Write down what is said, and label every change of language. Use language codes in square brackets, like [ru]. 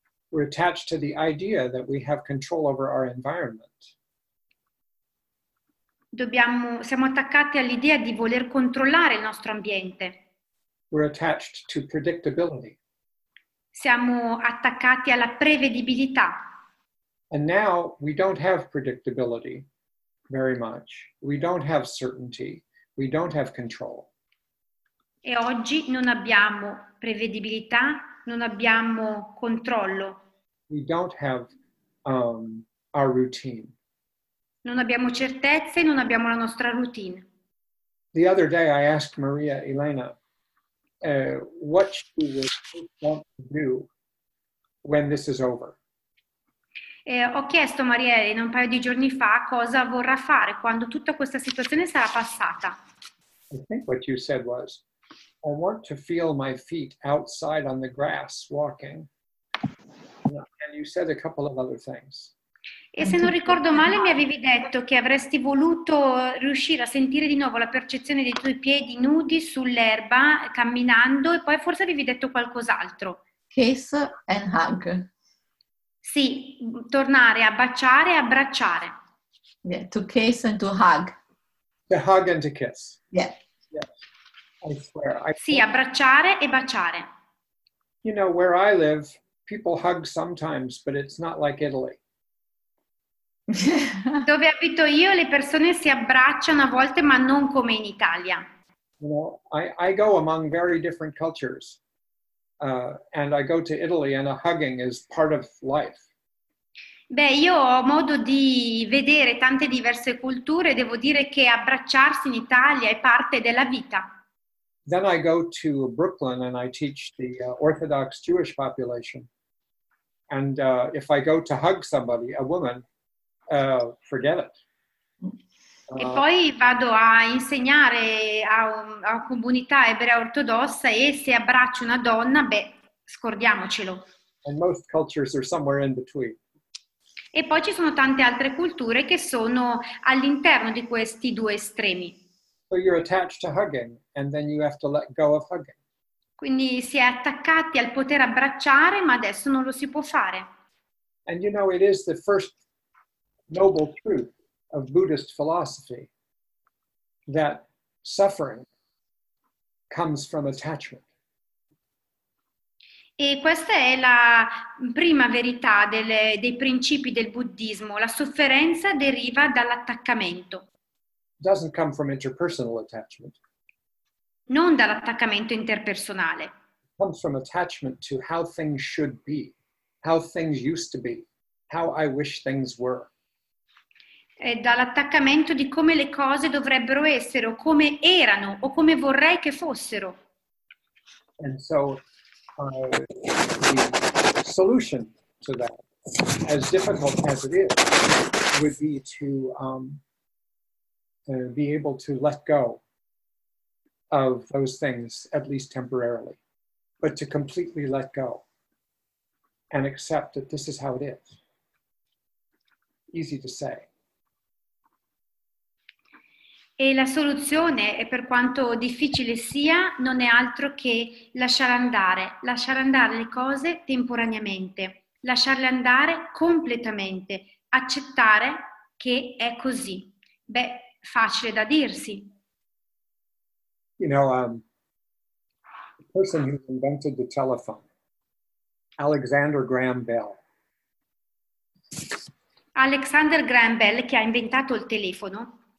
[en] We're attached to the idea that we have control over our environment. [it] Siamo attaccati all'idea di voler controllare il nostro ambiente. [en] We're attached to predictability. [it] Siamo attaccati alla prevedibilità. [en] And now we don't have predictability very much. We don't have certainty. We don't have control. [it] E oggi non abbiamo prevedibilità, non abbiamo controllo. [en] We don't have our routine. [it] Non abbiamo certezze, non abbiamo la nostra routine. [en] The other day I asked Maria Elena, what she would want to do when this is over. [it] Ho chiesto a Maria Elena un paio di giorni fa cosa vorrà fare quando tutta questa situazione sarà passata. [en] I think what you said was, I want to feel my feet outside on the grass walking. And you said a couple of other things. [it] E se non ricordo male mi avevi detto che avresti voluto riuscire a sentire di nuovo la percezione dei tuoi piedi nudi sull'erba camminando e poi forse avevi detto qualcos'altro. [en] Kiss and hug. [it] Sì, tornare a baciare e abbracciare. [en] Yeah, to kiss and to hug. To hug and to kiss. Yeah. Yes. I swear. [it] Sì, abbracciare e baciare. [en] You know, where I live, people hug sometimes, but it's not like Italy. [it] Dove abito io le persone si abbracciano a volte ma non come in Italia. [en] You know, I go among very different cultures. And I go to Italy and a hugging is part of life. [it] Beh, io ho modo di vedere tante diverse culture, devo dire che abbracciarsi in Italia è parte della vita. [en] Then I go to Brooklyn and I teach the Orthodox Jewish population. And if I go to hug somebody, a woman, forget it. [it] E poi vado a insegnare a comunità ebrea ortodossa e se abbraccio una donna, beh, scordiamocelo. [en] And most cultures are somewhere in between. [it] E poi ci sono tante altre culture che sono all'interno di questi due estremi. [en] So you're attached to hugging and then you have to let go of hugging. [it] Quindi si è attaccati al poter abbracciare, ma adesso non lo si può fare. [en] And you know it is the first noble truth of Buddhist philosophy that suffering comes from attachment. [it] E questa è la prima verità dei principi del buddismo. La sofferenza deriva dall'attaccamento. [en] Doesn't come from interpersonal attachment. [it] Non dall'attaccamento interpersonale. [en] It comes from attachment to how things should be, how things used to be, how I wish things were. [it] È dall'attaccamento di come le cose dovrebbero essere, o come erano, o come vorrei che fossero. [en] And so, the solution to that, as difficult as it is, would be to be able to let go of those things, at least temporarily, but to completely let go and accept that this is how it is. Easy to say. [it] E la soluzione, e per quanto difficile sia, non è altro che lasciare andare le cose temporaneamente, lasciarle andare completamente, accettare che è così. Beh, facile da dirsi. [en] You know, the person who invented the telephone, Alexander Graham Bell. [it] Alexander Graham Bell, che ha inventato il telefono.